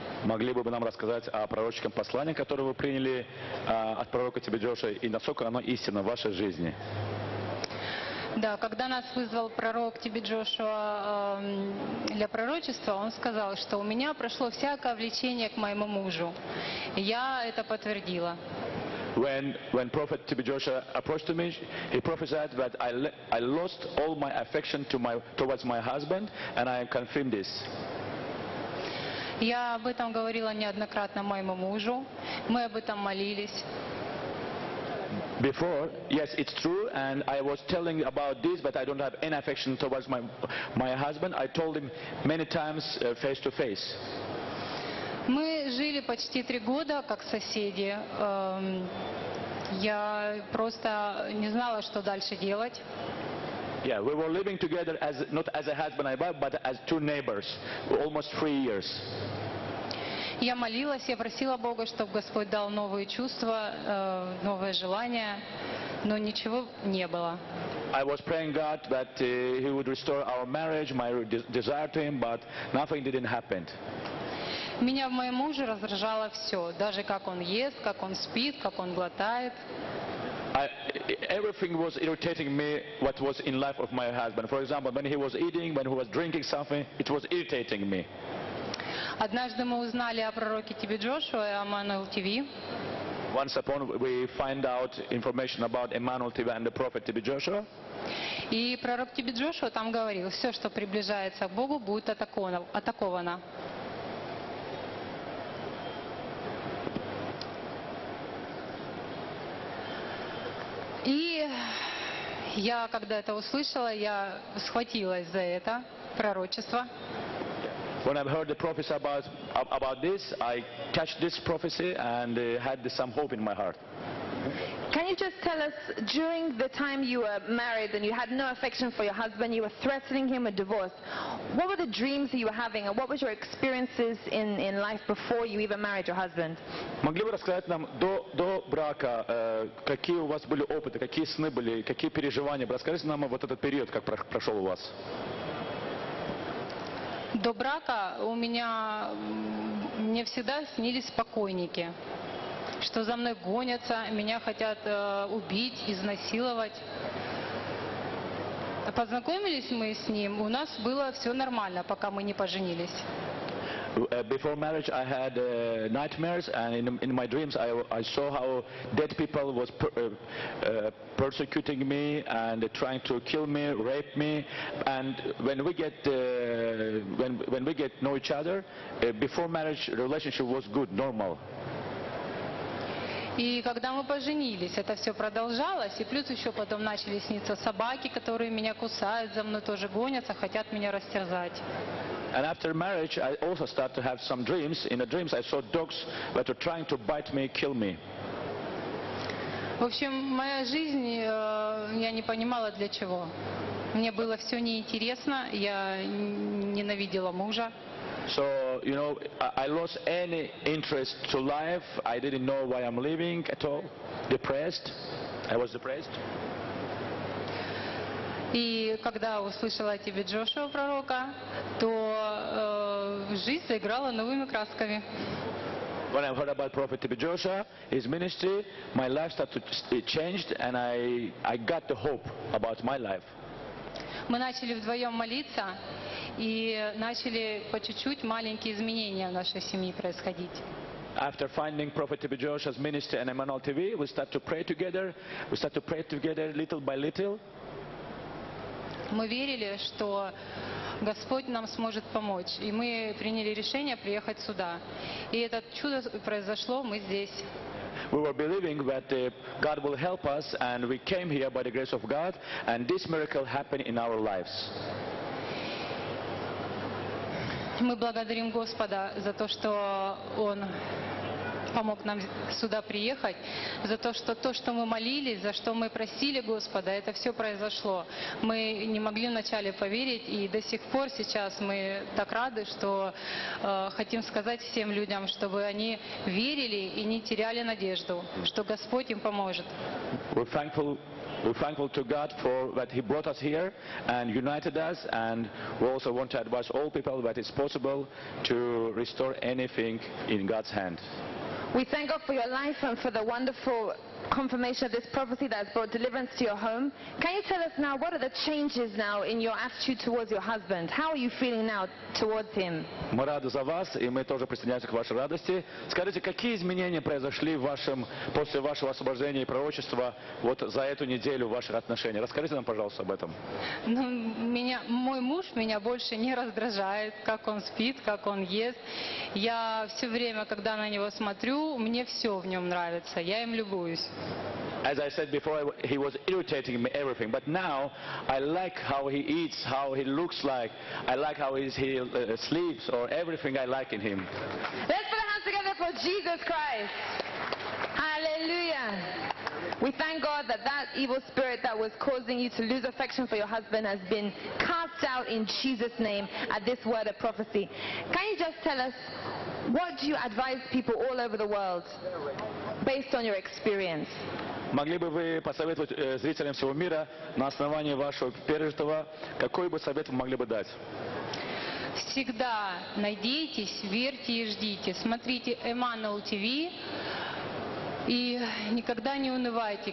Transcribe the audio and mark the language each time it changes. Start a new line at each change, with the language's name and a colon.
Russian: Могли бы вы нам рассказать о пророческом послании, которое вы приняли от пророка Тиби Джошуа, и насколько оно истинно в вашей жизни? Да, когда нас вызвал пророк Тиби Джошуа для пророчества, он сказал, что у меня прошло всякое влечение к моему мужу. Я это подтвердила.
English: When Prophet Тиби Джошуа approached me, he prophesied that I lost all my affection towards my husband, and I confirmed this.
Russian: Я об этом говорила неоднократно моему мужу. Мы об этом молились.
English: Before, yes, it's true, and I was telling about this, but I don't have any affection towards my husband. I told him many times face to face.
Russian: Мы жили почти три года как соседи. Я просто не знала, что дальше делать.
English: Yeah, we were living together as not as a husband and wife, but as two neighbors, almost 3 years.
Russian: Я молилась, я просила Бога, чтобы Господь дал новые чувства, новое желание, но ничего не было.
English: I was praying God that he would restore our marriage, my desire to him, but nothing didn't happen.
Russian: Меня в моем муже раздражало все, даже как он ест, как он спит, как он глотает.
English: Everything was irritating me, what was in life of my husband. For example, when he was eating, when he was drinking something, it was irritating me.
Russian: Однажды мы узнали о пророке Тиби Джошуа и Emmanuel TV.
English: Once upon we find out information about Emmanuel TV and the prophet Тиби Джошуа.
Russian: И пророк Тиби Джошуа там говорил, все, что приближается к Богу, будет атаковано. И я, когда это услышала, я схватилась за это пророчество.
English: When I heard the prophecy about this, I catched this prophecy and had some hope in my heart. Can you just tell us, during the time you were married and you had no affection for your husband, you were threatening him with divorce, what were the dreams that you were having and what was your experiences in life before you even married your husband?
Russian: Могли бы рассказать нам до брака, какие у вас были опыты, какие сны были, какие переживания? Расскажите нам вот этот период, как прошел у вас. До брака у меня, мне всегда снились покойники, что за мной гонятся, меня хотят убить, изнасиловать. Познакомились мы с ним, у нас было все нормально, пока мы не поженились.
English: Before marriage I had nightmares, and in my dreams I saw how dead people was persecuting me and trying to kill me, rape me. And when we get to know each other, before marriage relationship was good, normal.
Russian: И когда мы поженились, это все продолжалось, и плюс еще потом начали сниться собаки, которые меня кусают, за мной тоже гонятся, хотят меня растерзать.
English: And after marriage, I also start to have some dreams. In the dreams, I saw dogs that were trying to bite me, kill me.
Russian: В общем, моя жизнь, я не понимала для чего. Мне было все неинтересно, я ненавидела мужа.
English: So, you know, I lost any interest to life. I didn't know why I'm living at all. Depressed. I was depressed.
Russian: И когда услышала о тебе Джошуа пророка, то жизнь заиграла новыми красками.
English: When I heard about Prophet Тиби Джошуа, his ministry, my life started to change, and I got the hope about my life.
Russian: Мы начали вдвоем молиться, и начали по чуть-чуть маленькие изменения в нашей семье происходить.
English: After finding Prophet Тиби Джошуа's ministry and Emmanuel TV, we start to pray together. We start to pray together little by little.
Russian: Мы верили, что Господь нам сможет помочь, и мы приняли решение приехать сюда. И это чудо произошло, мы здесь.
English: We were believing that God will help us, and we came here by the grace of God, and this miracle happened in our lives.
Russian: Мы благодарим Господа за то, что Он помог нам сюда приехать, за то, что мы молились, за что мы просили Господа, это все произошло. Мы не могли вначале поверить, и до сих пор сейчас мы так рады, что хотим сказать всем людям, чтобы они верили и не теряли надежду, что Господь им поможет.
English: We're thankful to God for that He brought us here and united us, and we also want to advise all people that it's possible to restore anything in God's hand. We thank God for your life and for the wonderful confirmation of this prophecy that has brought deliverance to your home. Can you tell us now, what are the changes now in your attitude towards your husband? How are you feeling now towards him?
Russian: Мы рады за вас, и мы тоже присоединяемся к вашей радости. Скажите, какие изменения произошли в вашем, после вашего освобождения и пророчества, вот за эту неделю в ваших отношениях? Расскажите нам, пожалуйста, об этом. Ну, мой муж меня больше не раздражает, как он спит, как он ест. Я все время, когда на него смотрю, мне все в нем нравится, я им любуюсь.
English: As I said before, he was irritating me, everything. But now, I like how he eats, how he looks like. I like how he sleeps, or everything I like in him. Let's put our hands together for Jesus Christ. Hallelujah. We thank God that that evil spirit that was causing you to lose affection for your husband has been cast out in Jesus' name at this word of prophecy. Can you just tell us, what do you advise people all over the world based on your experience?
Russian: Могли бы вы посоветовать зрителям всего мира на основании вашего пережитого, какой бы совет вы могли бы дать? Всегда надейтесь, верьте и ждите. Смотрите Emmanuel TV и никогда не унывайте.